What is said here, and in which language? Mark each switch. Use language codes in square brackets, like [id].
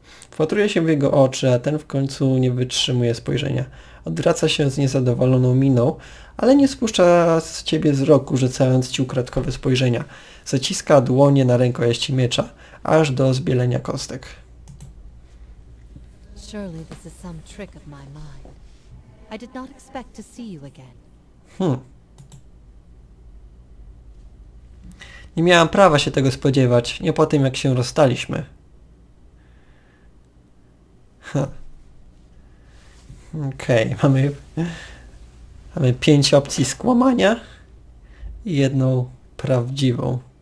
[pl] Wpatruję się w jego oczy, a ten w końcu nie wytrzymuje spojrzenia. Odwraca się z niezadowoloną miną, ale nie spuszcza z ciebie wzroku, rzucając ci ukradkowe spojrzenia. Zaciska dłonie na rękojeści miecza, aż do zbielenia kostek. [en] Surely this is some trick of my mind. I did not expect to see you again. [pl] Nie miałam prawa się tego spodziewać, nie po tym, jak się rozstaliśmy. Okej, mamy 5 opcji skłamania i jedną prawdziwą.